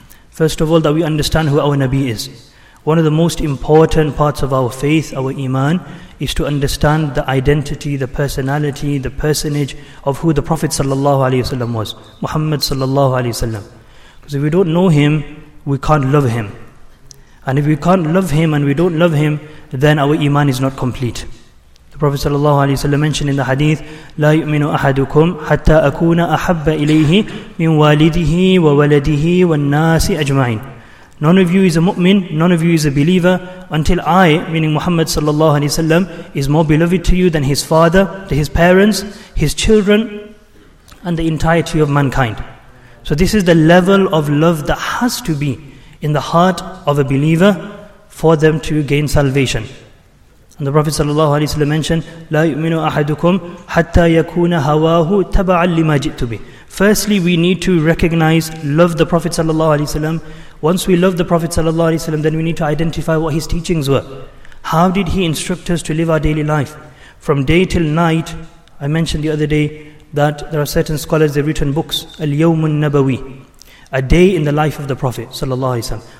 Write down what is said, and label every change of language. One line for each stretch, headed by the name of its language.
English: First of all, that we understand who our Nabi is. One of the most important parts of our faith, our Iman, is to understand the identity, the personality, the personage of who the Prophet sallallahu alaihi wasallam was, Muhammad sallallahu alaihi wasallam. Because if we don't know him, we can't love him. And if we can't love him and we don't love him, then our Iman is not complete. The Prophet sallallahu alaihi wasallam mentioned in the hadith,
Arabic: لا يؤمن أحدكم حتى أكون أحب إليه من والده وولده والناس أجمعين.
English: None of you is a mu'min, none of you is a believer, until I, meaning Muhammad sallallahu alaihi wasallam, is more beloved to you than his father, to his parents, his children, and the entirety of mankind. So this is the level of love that has to be in the heart of a believer for them to gain salvation. And the Prophet sallallahu alaihi wasallam mentioned,
Arabic: لا يؤمن أحدكم حتى يكون هواه تبعا لما جئت به.
English: Firstly, we need to recognize, love the Prophet sallallahu alaihi wasallam. Once we love the Prophet sallallahu alaihi wasallam, then we need to identify what his teachings were. How did he instruct us to live our daily life? From day till night, I mentioned the other day that there are certain scholars, they've written books,
Arabic: اليوم النبوي,
English: a day in the life of the Prophet sallallahu alaihi wasallam.